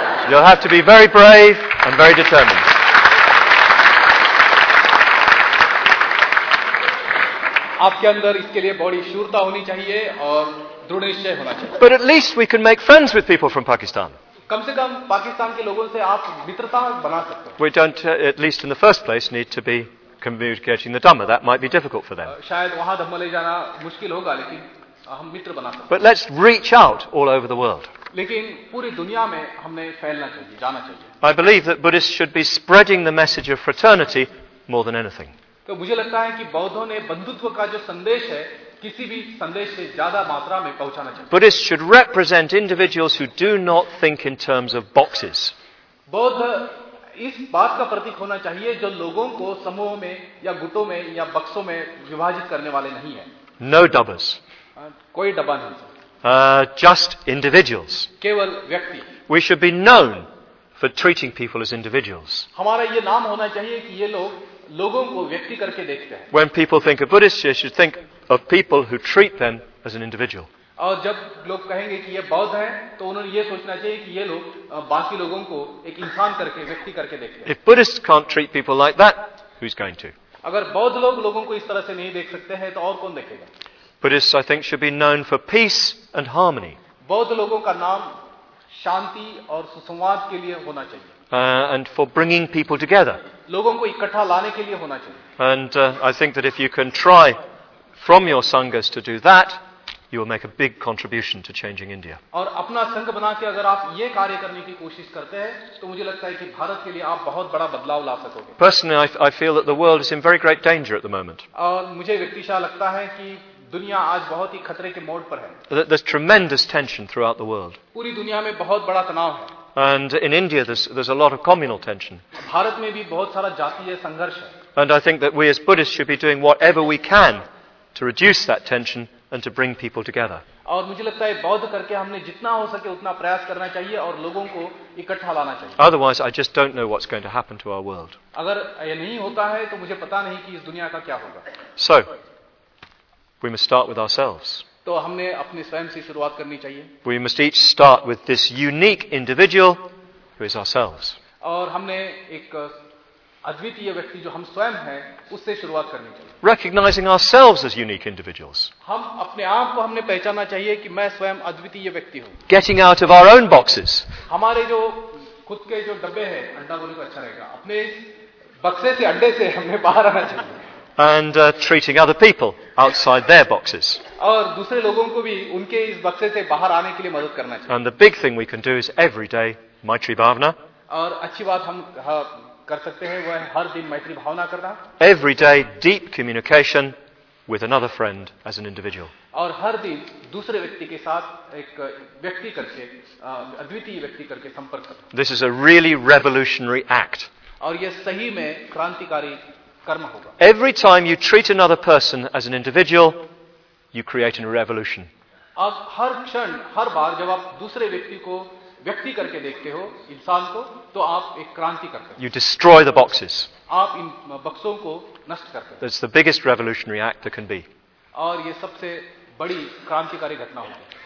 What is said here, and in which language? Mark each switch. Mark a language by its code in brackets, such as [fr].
[en] You'll have to be very brave and very determined. [hi] आपके अंदर इसके लिए बड़ी शूरता होनी चाहिए और दृढ़ निश्चय होना चाहिए. [en] But at least we can make friends with people from Pakistan. [hi] कम से कम पाकिस्तान के लोगों से आप मित्रता बना सकते हैं. [en] We don't, at least in the first place, need to be communicating the Dhamma. That might be difficult for them. [hi] शायद वहाँ धम्म ले जाना मुश्किल होगा, लेकिन हम मित्र बना सकते. [en] But let's reach out all over the world. [hi] लेकिन पूरी दुनिया में हमने फैलना चाहिए, जाना चाहिए. [en] I believe that Buddhists should be spreading the message of fraternity more than anything. [hi] तो मुझे लगता है कि बौद्धों ने बंधुत्व का जो संदेश है किसी भी संदेश से ज्यादा मात्रा में पहुंचाना चाहिए. [en] Buddhists should represent individuals who do not think in terms of boxes. [hi] बौद्ध इस बात का प्रतीक होना चाहिए जो लोगों को समूहों में या गुटों में या बक्सों में विभाजित करने वाले नहीं है. [en] No dubbers. [hi] कोई डब्बा नहीं. [en] Just individuals. [hi] केवल व्यक्ति. [en] We should be known for treating people as individuals. [hi] हमारा ये नाम होना चाहिए कि ये लोग लोगों को व्यक्ति करके देखते हैं. [en] When people think of Buddhists, they should think of people who treat them as an individual. [hi] और जब लोग कहेंगे कि ये बौद्ध हैं, तो उन्हें ये सोचना चाहिए कि ये लोग बाकी लोगों को एक इंसान करके, व्यक्ति करके देखते हैं. [en] If Buddhists can't treat people like that, who's going to? [hi] अगर बौद्ध लोग लोगों को इस तरह से नहीं देख सकते हैं, तो और कौन देखेगा? [en] Buddhists, I think, should be known for peace and harmony. [hi] बौद्ध लोगों का नाम शांति और सुसंवाद के लिए होना चाहिए. [en] And for bringing people together. [hi] लोगों को इकट्ठा लाने के लिए होना चाहिए. [en] And I think that if you can try from your sanghas to do that, you will make a big contribution to changing India. [hi] और अपना संघ बना के अगर आप ये कार्य करने की कोशिश करते हैं, तो मुझे लगता है कि भारत के लिए आप बहुत बड़ा बदलाव ला सकोगे. [en] Personally, I feel that the world is in very great danger at the moment. [hi] मुझे व्यक्तिशः लगता है कि दुनिया आज बहुत ही खतरे के मोड पर है. [en] There's tremendous tension throughout the world. [hi] पूरी दुनिया में बहुत बड़ा तनाव है. [en] And in India, there's a lot of communal tension. [hi] Bharat में भी बहुत सारा जातीय संघर्ष है. [en] And I think that we as Buddhists should be doing whatever we can to reduce that tension and to bring people together. [hi] और मुझे लगता है बौद्ध करके हमने जितना हो सके उतना प्रयास करना चाहिए और लोगों को इकट्ठा लाना चाहिए. [en] Otherwise, I just don't know what's going to happen to our world. [hi] अगर ये नहीं होता है, तो मुझे पता नहीं कि इस दुनिया का क्या होगा. [en] So, we must start with ourselves. [hi] तो हमने अपने स्वयं से शुरुआत करनी चाहिए. [en] We must each start with this unique individual who is ourselves. [hi] और हमने एक अद्वितीय व्यक्ति जो हम स्वयं हैं, उससे शुरुआत करनी चाहिए. [en] Recognizing ourselves as unique individuals. [hi] हम अपने आप को हमने पहचानना चाहिए कि मैं स्वयं अद्वितीय व्यक्ति हूँ. [en] Getting out of our own boxes. [hi] हमारे जो खुद के जो डब्बे हैं, अंडा बोलने को अच्छा रहेगा, अपने बक्से से, अंडे से हमने बाहर आना चाहिए. [en] And treating other people outside their boxes. [hi] और दूसरे लोगों को भी उनके इस बक्से से बाहर आने के लिए मदद करना चाहिए. [en] And the big thing we can do is every day Maitri Bhavana. [hi] और अच्छी बात हम कर सकते हैं वह हर दिन मैत्री भावना करना. [en] Every day deep communication with another friend as an individual. [hi] और हर दिन दूसरे व्यक्ति के साथ एक व्यक्ति करके, अद्वितीय व्यक्ति करके संपर्क करना. [en] This is a really revolutionary act. [hi] और यह सही में क्रांतिकारी. [en] Every time you treat another person as an individual, you create a revolution. [hi] अब हर क्षण, हर बार जब आप दूसरे व्यक्ति को व्यक्ति करके देखते हो इंसान को तो आप एक क्रांति करते हो. [en] You destroy the boxes. [hi] आप इन बक्सों को नष्ट करते हो. [en] It's the biggest revolutionary act that can be. [hi] और ये सबसे बड़ी क्रांतिकारी घटना होती है.